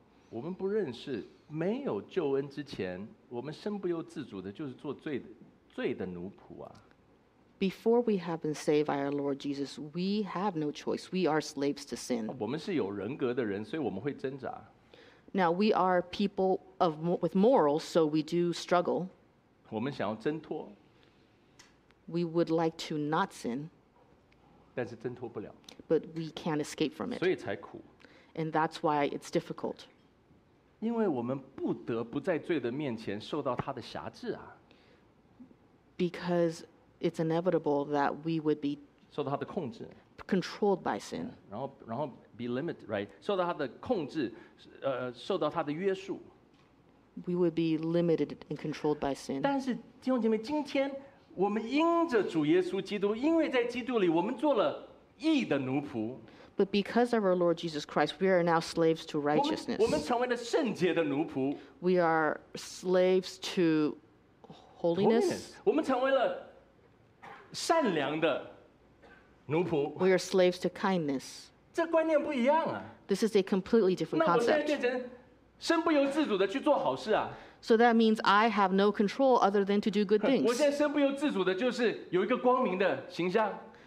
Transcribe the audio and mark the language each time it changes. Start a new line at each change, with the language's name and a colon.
English: Before we have been saved by our Lord Jesus, we have no choice. We are slaves to sin.
Chinese: 我们是有人格的人，所以我们会挣扎。
English: Now we are people with morals, so we do struggle.
Chinese: 我们想要挣脱。
English: We would like to not sin.
Chinese: 但是挣脱不了。
English: But we can't escape from it.
Chinese: 所以才苦。
English: and that's why it's difficult.
Chinese: 因为我们不得不在罪的面前受到他的辖制啊。
English: Because it's inevitable that we would be
Chinese: 受到他的控制。
English: Controlled by sin.
Chinese: 然后
English: be limited, right?
Chinese: 受到他的控制，受到他的约束。
English: We would be limited and controlled by sin.
Chinese: 但是弟兄姐妹，今天我们因着主耶稣基督，因为在基督里，我们做了义的奴仆。
English: But because of our Lord Jesus Christ, we are now slaves to righteousness.
Chinese: 我们成为了圣洁的奴仆。
English: We are slaves to holiness.
Chinese: 我们成为了善良的奴仆。
English: We are slaves to kindness.
Chinese: 这观念不一样啊。
English: This is a completely different concept.
Chinese: 那我现在变成身不由自主的去做好事啊。
English: So that means I have no control other than to do good things.
Chinese: 我现在身不由自主的就是有一个光明的形象。